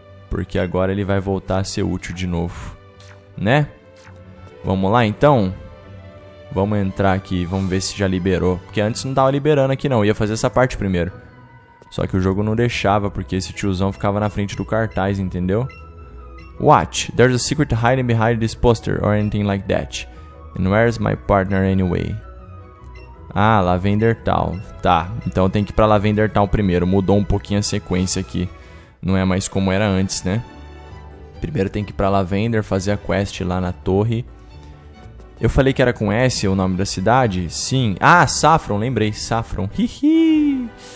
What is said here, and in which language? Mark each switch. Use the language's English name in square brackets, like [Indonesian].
[Portuguese] Porque agora ele vai voltar a ser útil de novo. Né? Vamos lá, então. Vamos entrar aqui. Vamos ver se já liberou. Porque antes não tava liberando aqui, não. Eu ia fazer essa parte primeiro. Só que o jogo não deixava, porque esse tiozão ficava na frente do cartaz, entendeu? [English] Watch. There's a secret hiding behind this poster or anything like that. And where's my partner anyway? Ah, Lavender Town. [Portuguese] Tá, então tem que ir pra Lavender Town primeiro. Mudou um pouquinho a sequência aqui. Não é mais como era antes, né? Primeiro tem que ir pra Lavender, fazer a quest lá na torre. Eu falei que era com S o nome da cidade? Sim. Ah, Saffron, lembrei. Saffron. Hihi.